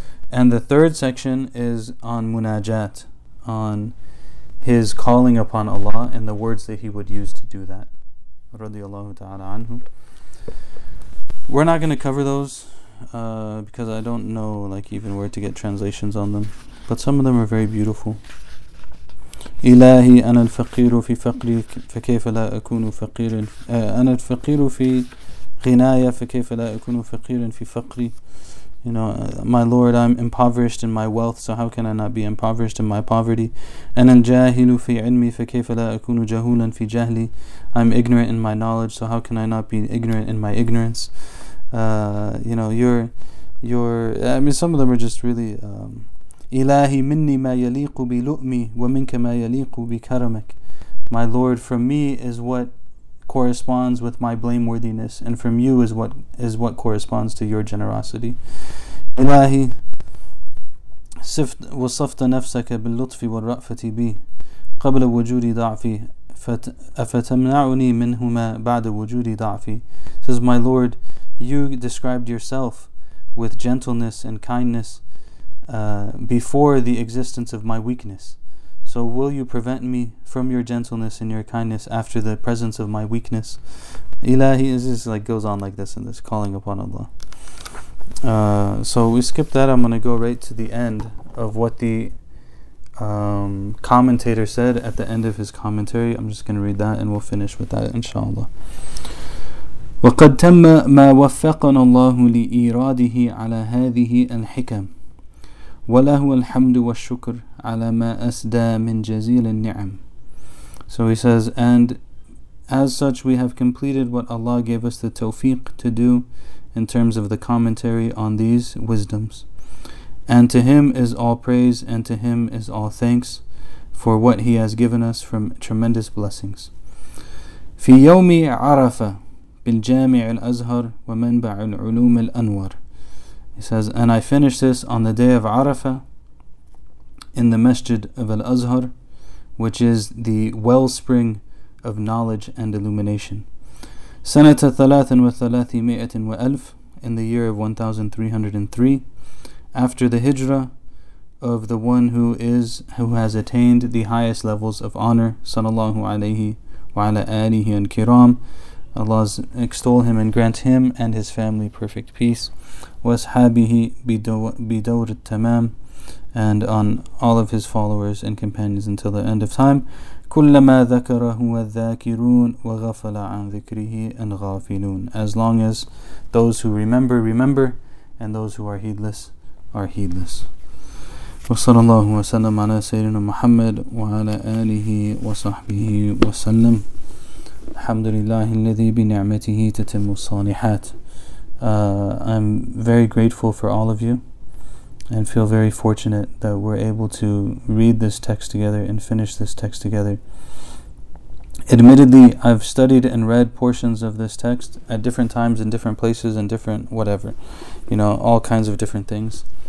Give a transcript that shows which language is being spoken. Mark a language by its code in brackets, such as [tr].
[en] And the third section is on munajat, on his calling upon Allah and the words that he would use to do that. Radiallahu ta'ala anhu. We're not going to cover those because I don't know like even where to get translations on them. But some of them are very beautiful. [ar] إلهي أنا الفقير في فقري فكيف لا أكون فقيرا أنا الفقير في غناية فكيف لا أكون فقيرا في فقري. [en] You know, my Lord, I'm impoverished in my wealth, so how can I not be impoverished in my poverty? [ar] أنا الجاهل في علمي فكيف لا أكون جهولا في جهلي. [en] I'm ignorant in my knowledge, so how can I not be ignorant in my ignorance? You know, you're, I mean, some of them are just really, [ar] إلهي مني ما يليق بلؤمي ومنك ما يليق بكرمك. [en] My Lord, from me is what corresponds with my blameworthiness, and from you is what corresponds to your generosity. [ar] إلهي صفت وصفت نفسك باللطف والرأفة بي قبل وجودي ضعفي أفتمنعني منهما بعد وجودي ضعفي. [en] Says, my Lord, you described yourself with gentleness and kindness before the existence of my weakness. So will you prevent me from your gentleness and your kindness after the presence of my weakness? Ilahi is just like goes on like this in this calling upon Allah. So we skip that. I'm going to go right to the end of what the commentator said at the end of his commentary. I'm just going to read that and we'll finish with that, inshallah. [ar] وَقَدْ تَمَّ مَا وَفَّقَنَ اللَّهُ لِإِرَادِهِ عَلَى هَذِهِ الْحِكَمِ وَلَهُ الْحَمْدُ وَالشُّكْرُ عَلَى مَا أَسْدَى مِنْ جَزِيلِ النِّعَمِ. [en] So he says, and as such we have completed what Allah gave us the tawfiq to do in terms of the commentary on these wisdoms. And to Him is all praise and to Him is all thanks for what He has given us from tremendous blessings. [ar] فِي يَوْمِ عَرَفَةَ بالجامع الأزهر ومنبع العلوم الأنوار. [en] He says, and I finish this on the day of Arafah in the Masjid of Al-Azhar, which is the wellspring of knowledge and illumination. [ar] سنة ثلاث وثلاثمائة وألف, [en] in the year of 1303, after the Hijra of the one who has attained the highest levels of honor, [ar] صلى الله عليه وعلى آله الكرام, [en] Allah extol him and grant him and his family perfect peace. [ar] وَأَصْحَابِهِ بِدَوْرِ التَّمَامِ, [en] and on all of his followers and companions until the end of time. [ar] كُلَّمَا ذَكَرَهُ وَالذَّاكِرُونَ وَغَفَلَ عَنْ ذِكْرِهِ الْغَافِلُونَ. [en] As long as those who remember, remember, and those who are heedless, are heedless. [ar] وصلى الله وسلم على سيدنا محمد وعلى آله وصحبه وسلم. الحمد لله الذي بنعمته تتم الصالحات. [en] I'm very grateful for all of you and feel very fortunate that we're able to read this text together and finish this text together. Admittedly, I've studied and read portions of this text at different times in different places and different whatever, you know, all kinds of different things.